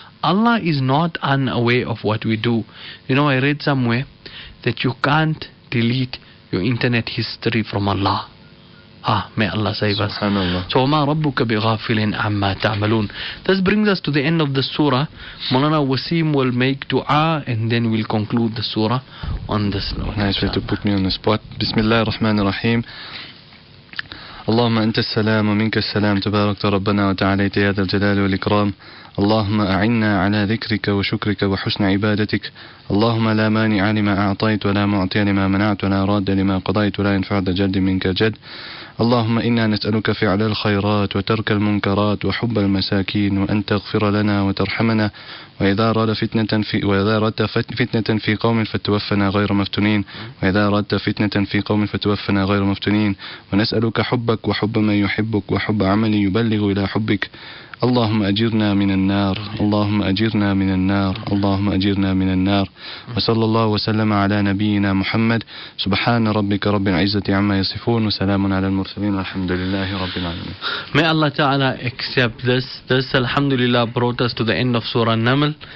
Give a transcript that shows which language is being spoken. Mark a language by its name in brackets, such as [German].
[English] Allah is not unaware of what we do. You know, I read somewhere that you can't delete your internet history from Allah. Ah, may Allah save us. SubhanAllah. [Arabic] So, وَمَا رَبُّكَ بِغَافِلٍ أَمَّا تَعْمَلُونَ. [English] This brings us to the end of the surah. Mawlana Waseem will make dua and then we'll conclude the surah on this note. Nice way to put me on the spot. [Arabic] Bismillah ar-Rahman ar-Rahim. اللهم أنت السلام ومنك السلام تبارك ربنا وتعاليت يا ذا الجلال والإكرام اللهم أعنا على ذكرك وشكرك وحسن عبادتك اللهم لا مانع لما أعطيت ولا معطي لما منعت ولا راد لما قضيت ولا ينفع ذا الجد منك جد اللهم إنا نسألك فعل الخيرات وترك المنكرات وحب المساكين وأن تغفر لنا وترحمنا وإذا أراد فتنة في قوم فتوفنا غير مفتونين وإذا أراد فتنة في قوم فتوفنا غير مفتونين ونسألك حبك وحب من يحبك وحب عمل يبلغ إلى حبك اللهم أجرنا من النار اللهم أجرنا من النار اللهم أجرنا من النار وصلى الله وسلم على نبينا محمد سبحان ربك رب العزة عما يصفون وسلام على المرسلين الحمد لله رب العالمين. [English] May Allah Ta'ala accept this. This Alhamdulillah brought us to the end of Surah Naml.